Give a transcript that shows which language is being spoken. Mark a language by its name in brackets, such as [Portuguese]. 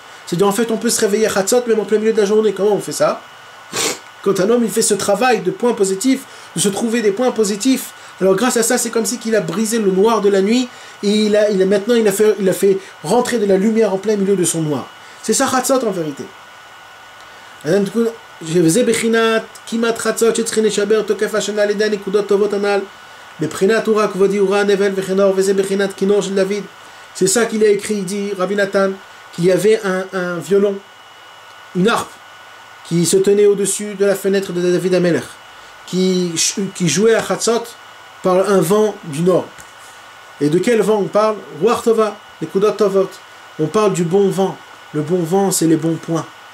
[French] C'est-à-dire, en fait, on peut se réveiller Chatzot même en plein milieu de la journée. Comment on fait ça? Quand un homme il fait ce travail de points positifs, de se trouver des points positifs, alors grâce à ça, c'est comme si qu'il a brisé le noir de la nuit et il a fait rentrer de la lumière en plein milieu de son noir. C'est ça Chatzot en vérité. [Hebrew] וזה בחינת כמעט חצות שצריכים לשבר תוקף השנה על ידי הנקודות טובות הנ"ל, בבחינת אורה כבודי, אורה נבל וכינור, וזה בחינת כינור של דוד. [French] C'est ça qu'il a écrit, il dit, Rabbi Nathan, qu'il y avait un violon, une harpe, qui se tenait au-dessus de la fenêtre de David HaMelech, qui jouait à Chatzot par un vent du nord. Et de quel vent on parle? Ruach Tova, les Kudot Tovot. On parle du bon vent. Le bon vent, c'est les bons points.